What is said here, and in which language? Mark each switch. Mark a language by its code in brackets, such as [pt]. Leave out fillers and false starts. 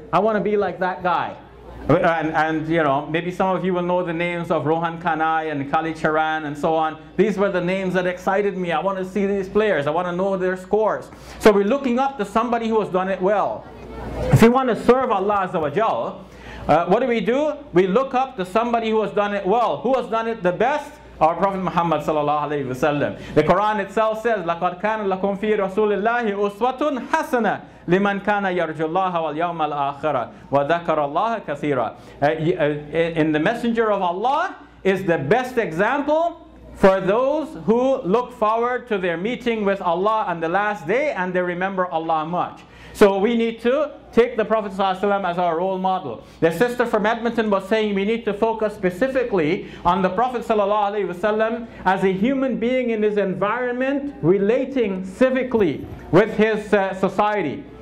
[en] I want to be like that guy. And you know, maybe some of you will know the names of Rohan Kanai and Kali Charan and so on. These were the names that excited me. I want to see these players. I want to know their scores. So we're looking up to somebody who has done it well. If we want to serve Allah Azza wa Jal, what do? We look up to somebody who has done it well. Who has done it the best? Our Prophet Muhammad sallallahu alaihi wasallam. The Quran itself says, [ar] لَقَدْ كَانَ لَكُمْ فِي رَسُولِ اللَّهِ أُسْوَةٌ حَسَنَةٌ لِمَنْ كَانَ يَرْجُ اللَّهَ وَالْيَوْمَ الْآخِرَ وَذَكَرَ اللَّهَ كَثِيرًا. [en] In the Messenger of Allah is the best example for those who look forward to their meeting with Allah on the last day and they remember Allah much. So we need to take the Prophet ﷺ as our role model. The sister from Edmonton was saying we need to focus specifically on the Prophet ﷺ as a human being in his environment, relating civically with his society.